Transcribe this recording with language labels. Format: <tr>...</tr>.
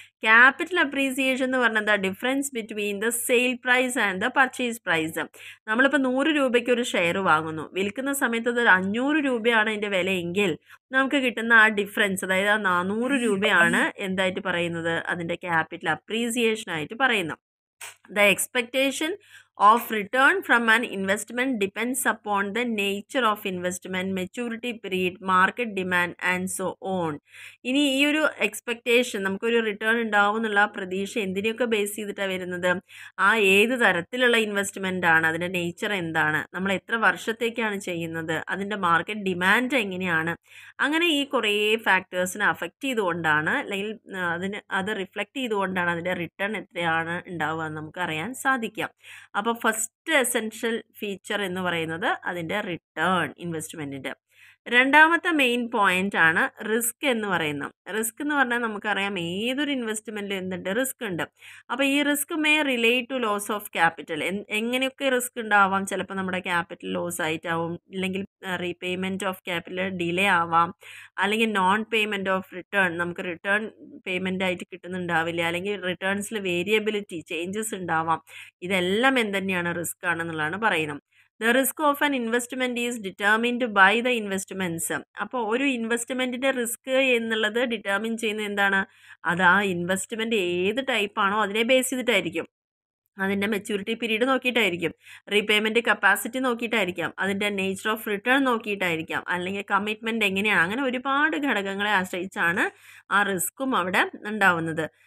<en>capital appreciation</en> <ml>എന്ന് പറഞ്ഞാൽ എന്താ,</ml> <en>Difference between the sale price and the purchase price.</en> <ml>നമ്മളിപ്പോൾ 100 രൂപയ്ക്ക് ഒരു ഷെയർ വാങ്ങുന്നു, വിൽക്കുന്ന സമയത്ത് അത് 500 രൂപയാണ് അതിൻ്റെ വിലയെങ്കിൽ നമുക്ക് കിട്ടുന്ന ആ ഡിഫറൻസ്, അതായത് ആ 400 രൂപയാണ് എന്തായിട്ട് പറയുന്നത്, അതിൻ്റെ ക്യാപിറ്റൽ അപ്രീസിയേഷൻ ആയിട്ട് പറയുന്നത്.</ml> <en>The expectation of return from an investment depends upon the nature of investment, maturity period, market demand and so on.</en> <ml>ഇനി ഈ ഒരു എക്സ്പെക്ടേഷൻ, നമുക്കൊരു റിട്ടേൺ ഉണ്ടാവും എന്നുള്ള ആ പ്രതീക്ഷ എന്തിനെയൊക്കെ ബേസ് ചെയ്തിട്ടാണ് വരുന്നത്? ആ ഏത് തരത്തിലുള്ള ഇൻവെസ്റ്റ്മെൻ്റ് ആണ്, അതിൻ്റെ നേച്ചർ എന്താണ്, നമ്മൾ എത്ര വർഷത്തേക്കാണ് ചെയ്യുന്നത്, അതിൻ്റെ മാർക്കറ്റ് ഡിമാൻഡ് എങ്ങനെയാണ്, അങ്ങനെ ഈ കുറേ ഫാക്ടേഴ്സിനെ അഫക്റ്റ് ചെയ്തുകൊണ്ടാണ്, അല്ലെങ്കിൽ അതിന് അത് റിഫ്ലക്റ്റ് ചെയ്തുകൊണ്ടാണ് അതിൻ്റെ റിട്ടേൺ എത്രയാണ് ഉണ്ടാവുക എന്ന് നമുക്ക് അറിയാൻ സാധിക്കാം. അപ്പോൾ ഫസ്റ്റ് എസൻഷ്യൽ ഫീച്ചർ എന്ന് പറയുന്നത് അതിൻ്റെ റിട്ടേൺ ഇൻവെസ്റ്റ്മെൻറ്റിൻ്റെ. രണ്ടാമത്തെ മെയിൻ പോയിന്റ് ആണ് റിസ്ക് എന്ന് പറയുന്നത്. റിസ്ക് എന്ന് പറഞ്ഞാൽ നമുക്കറിയാം ഏതൊരു ഇൻവെസ്റ്റ്മെൻറ്റിൽ എന്തുണ്ട്, റിസ്ക് ഉണ്ട്. അപ്പോൾ ഈ risk</ml> <en>May relate to loss of capital.</en> <ml>എങ്ങനെയൊക്കെ റിസ്ക് ഉണ്ടാവാം, ചിലപ്പോൾ നമ്മുടെ ക്യാപിറ്റൽ ലോസ് ആയിട്ടാവും, ഇല്ലെങ്കിൽ റീപേയ്മെൻറ്റ് ഓഫ് ക്യാപിറ്റൽ ഡിലേ ആവാം, അല്ലെങ്കിൽ നോൺ പേയ്മെൻറ്റ് ഓഫ് റിട്ടേൺ, നമുക്ക് റിട്ടേൺ പേയ്മെൻ്റ് ആയിട്ട് കിട്ടുന്നുണ്ടാവില്ല, അല്ലെങ്കിൽ റിട്ടേൺസിൽ വേരിയബിലിറ്റി ചേഞ്ചസ് ഉണ്ടാവാം, ഇതെല്ലാം എന്തുതന്നെയാണ് റിസ്ക് ആണെന്നുള്ളതാണ് പറയുന്നത്.</ml> <en>The risk of an investment is determined by the investments.</en> <ml>അപ്പോൾ ഒരു ഇൻവെസ്റ്റ്മെൻറ്റിൻ്റെ റിസ്ക് എന്നുള്ളത് ഡിറ്റർമിൻ ചെയ്യുന്നത് എന്താണ്, അത് ആ ഇൻവെസ്റ്റ്മെൻറ്റ് ഏത് ടൈപ്പാണോ അതിനെ ബേസ് ചെയ്തിട്ടായിരിക്കും. അതിൻ്റെ മെച്യൂരിറ്റി പീരീഡ് നോക്കിയിട്ടായിരിക്കും, റീപേയ്മെൻറ്റ് കപ്പാസിറ്റി നോക്കിയിട്ടായിരിക്കാം, അതിൻ്റെ നേച്ചർ ഓഫ് റിട്ടേൺ നോക്കിയിട്ടായിരിക്കാം, അല്ലെങ്കിൽ കമ്മിറ്റ്മെൻറ്റ് എങ്ങനെയാണ്, അങ്ങനെ ഒരുപാട് ഘടകങ്ങളെ ആശ്രയിച്ചാണ് ആ റിസ്ക്കും അവിടെ ഉണ്ടാവുന്നത്.</ml>